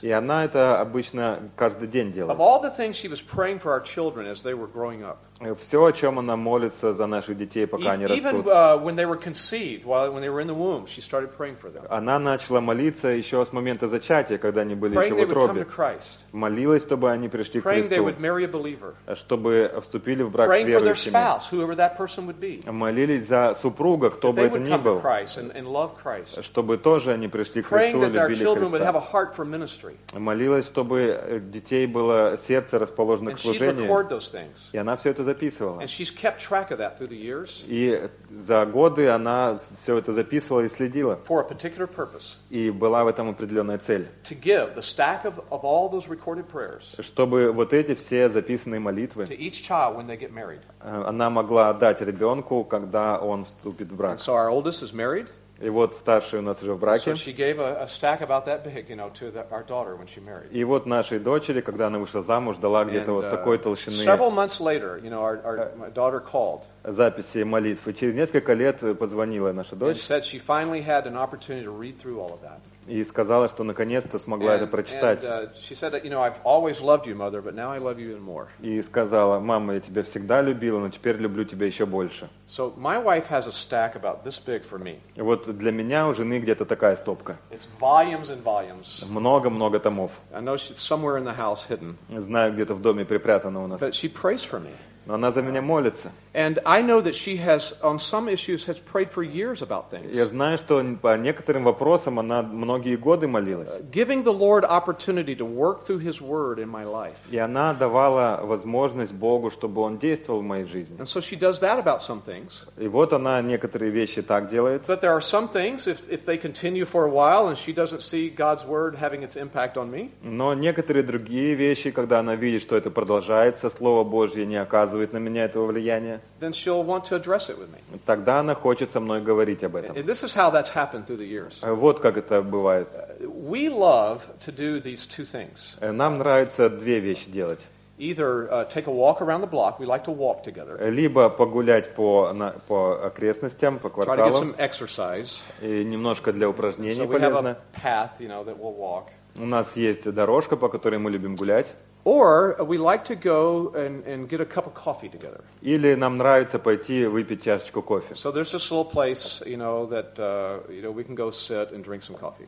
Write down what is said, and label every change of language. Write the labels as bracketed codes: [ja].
[ru] И она это обычно каждый день делает. [en] Of all the things she was praying for our children as they were growing up. [ru] Все, о чем она молится за наших детей, пока они растут. [en] When they were conceived, while when they were in the womb, she started praying for them. [ru] Она начала молиться еще с момента зачатия, когда они были еще в утробе. Молилась, чтобы они пришли к Христу. [en] They would marry a believer. [ru] Чтобы вступили в брак с верующими. [en] Praying for their spouse, whoever that person would be. [ru] Молились за супруга, кто бы это ни был. [en] And love Christ. [ru] Чтобы тоже они пришли к Христу и любили Христа. [en] That our children would have a heart for ministry. [ru] Молилась, чтобы детей было сердце расположено к служению. [en] And she'd record those things. [ru] И она все это записывала. [en] And she's kept track of that through the years. [ru] И за годы она все это записывала и следила. [en] For a particular purpose. [ru] И была в этом определенная цель. [en] To give the stack of all those recorded prayers. [ru] Чтобы вот эти все записанные молитвы. [en] To each child when they get married. [ru] Она могла отдать ребенку, когда он вступит в брак. [en] And so our oldest is married. [ru] И вот старший у нас уже в браке. [en] So she gave a stack about that big, you know, to the, our daughter when she married. [ru] И вот нашей дочери, когда она вышла замуж, дала где-то вот такой толщины. [en] Several months later, you know, our daughter called. [ru] Записи молитв. И через несколько лет позвонила наша дочь. [en] And said she finally had an opportunity to read through all of that. [ru] И сказала, что наконец-то смогла это прочитать. [en] She said that, you know, I've always loved you, mother, but now I love you even more. [ru] И сказала, мама, я тебя всегда любила, но теперь люблю тебя еще больше. [en] So my wife has a stack about this big for me. [ru] И вот для меня у жены где-то такая стопка. [en] It's volumes and volumes. [ru] Много-много томов. [en] I know she's somewhere in the house hidden. [ru] Знаю, где-то в доме припрятано у нас. [en] But she prays for me. [ru] Но она за меня молится. [en] And I know that she has, on some issues, has prayed for years about things. [ru] Я знаю, что по некоторым вопросам она многие годы молилась. [en] Giving the Lord opportunity to work through His Word in my life. [ru] И она давала возможность Богу, чтобы Он действовал в моей жизни. [en] And so she does that about some things. [ru] И вот она некоторые вещи так делает. [en] But there are some things, if they continue for a while, and she doesn't see God's Word having its impact on me. [ru] Но некоторые другие вещи, когда она видит, что это продолжается, Слово Божье не оказывает на меня этого влияния. [en] Then she'll want to address it with me. [ru] Тогда она хочет со мной говорить об этом. [en] And this is how that's happened through the years. [ru] Вот как это бывает. [en] We love to do these two things. [ru] Нам нравится две вещи делать. [en] Either take a walk around the block. We like to walk together. [ru] Либо погулять по окрестностям, по кварталам. [en] Try to get some exercise. [ru] И немножко для упражнений полезно. [en] So we have a path, you know, that we'll walk. [ru] У нас есть дорожка, по которой мы любим гулять. [en] Or we like to go and get a cup of coffee together. [ru] Или нам нравится пойти выпить чашечку кофе. [en] So there's this little place, you know, that you know, we can go sit and drink some coffee.